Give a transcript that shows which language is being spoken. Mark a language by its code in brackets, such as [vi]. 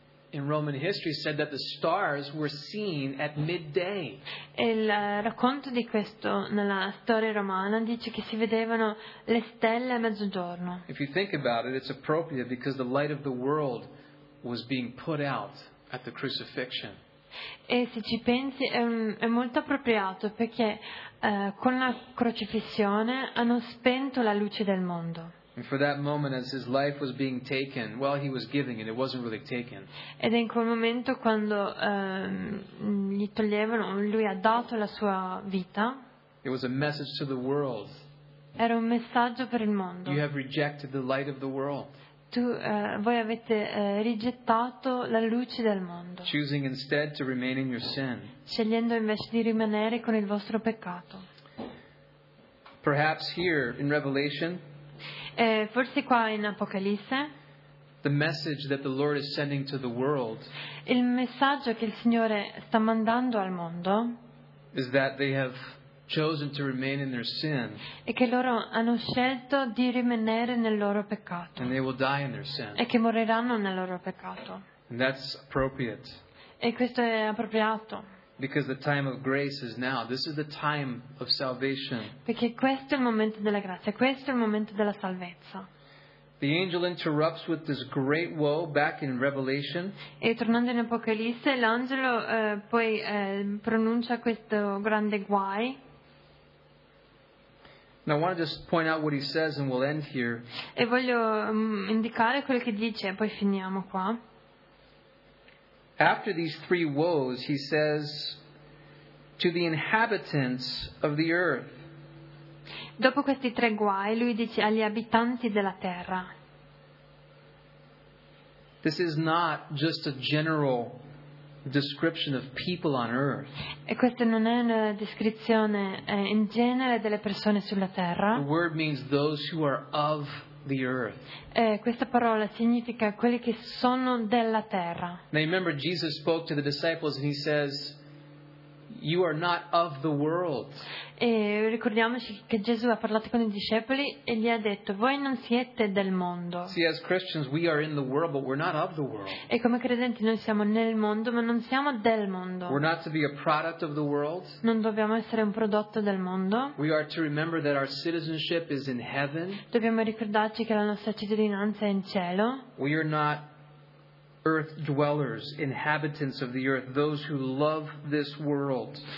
[en] In Roman history said that the stars were seen at midday. [it] Il racconto di questo nella storia romana dice che si vedevano le stelle a mezzogiorno. [en] If you think about it, it's appropriate because the light of the world was being put out at the crucifixion. [it] E se ci pensi è molto appropriato perché con la crocifissione hanno spento la luce del mondo. [en] And for that moment, as his life was being taken, well, he was giving it; it wasn't really taken. [it] Ed in quel momento quando gli toglievano, lui ha dato la sua vita. [en] It was a message to the world. [it] Era un messaggio per il mondo. [en] You have rejected the light of the world. [it] voi avete rigettato la luce del mondo, [en] choosing instead to remain in your sin. [it] Scegliendo invece di rimanere con il vostro peccato. [en] Perhaps here in Revelation, [it] forse qua in Apocalisse, [en] the message that the Lord is sending to the world, [it] il messaggio che il Signore sta mandando al mondo, [en] is that they have chosen to remain in their sin, [it] e che loro hanno scelto di rimanere nel loro peccato, [en] and they will die in their sin, [it] e che moriranno nel loro peccato, [en] and that's appropriate, [it] e questo è appropriato. [en] Because the time of grace is now. This is the time of salvation. [it] Perché questo è il momento della grazia, questo è il momento della salvezza. [en] The angel interrupts with this great woe back in Revelation. [it] E tornando in Apocalisse, l'angelo poi pronuncia questo grande guai. [en] And I want to just point out what he says, and we'll end here. [it] E voglio indicare quello che dice, e poi finiamo qua. [en] After these three woes, he says to the inhabitants of the earth. [it] Dopo questi tre guai, lui dice agli abitanti della terra. [en] This is not just a general description of people on earth. [it] E questa non è una descrizione in genere delle persone sulla terra. [en] The word means those who are of the earth. [it] Questa parola significa quelli che sono della terra. [en] Now remember, Jesus spoke to the disciples and he says, "You are not of the world." [it] E ricordiamoci che Gesù ha parlato con i discepoli e gli ha detto: "Voi non siete del mondo." [en] See, as Christians, we are in the world, but we're not of the world. [it] E come credenti noi siamo nel mondo, ma non siamo del mondo. [en] We're not to be a product of the world. [it] Non dobbiamo essere un prodotto del mondo. [en] We are to remember that our citizenship is in heaven. [it] Dobbiamo ricordarci che la nostra cittadinanza è in cielo. [en] We are not earth dwellers, inhabitants of the earth, those who love this world.